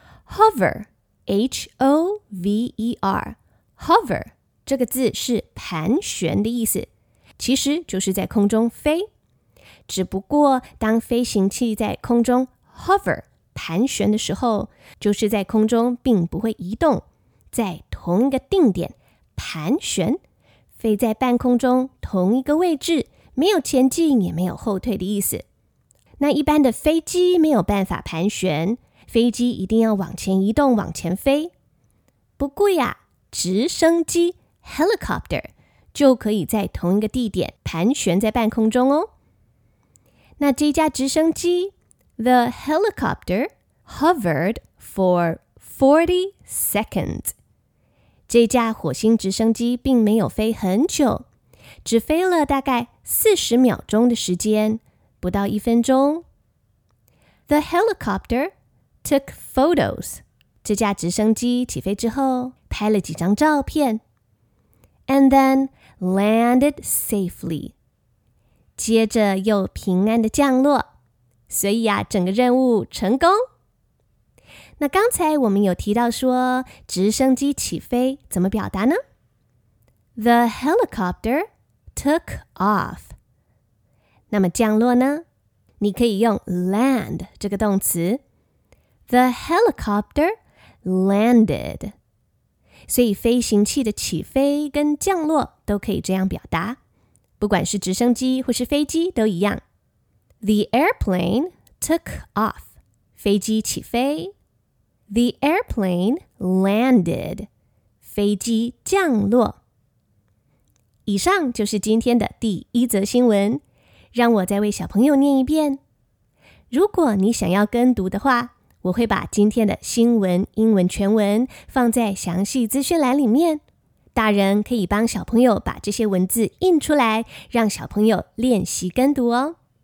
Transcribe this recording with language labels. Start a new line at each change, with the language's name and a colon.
Chinese: Hover H-O-V-E-R Hover 这个字是盘旋的意思，其实就是在空中飞，只不过当飞行器在空中 hover 盘旋的时候，就是在空中并不会移动，在同一个定点盘旋，飞在半空中同一个位置，没有前进也没有后退的意思。那一般的飞机没有办法盘旋，飞机一定要往前移动，往前飞。不过呀，直升机 helicopter 就可以在同一个地点盘旋在半空中哦。那这架直升机
English: The helicopter hovered for 40 seconds。
Chinese: 这架火星直升机并没有飞很久，只飞了大概40秒钟的时间，不到一分钟。
English: The helicopter took photos。
Chinese: 这架直升机起飞之后拍了几张照片。
English: And then landed safely。
Chinese: 接着又平安的降落，所以啊，整个任务成功。那刚才我们有提到说，直升机起飞怎么表达呢？
English: The helicopter took off。
Chinese: 那么降落呢？你可以用 land 这个动词，
English: The helicopter landed。
Chinese: 所以飞行器的起飞跟降落都可以这样表达，不管是直升机或是飞机都一样。
English: The airplane took off，
Chinese: 飞机起飞。
English: The airplane landed，
Chinese: 飞机降落。以上就是今天的第一则新闻，让我再为小朋友念一遍。如果你想要跟读的话，我会把今天的新闻英文全文放在详细资讯栏里面。大人可以帮小朋友把这些文字印出来，让小朋友练习跟读哦。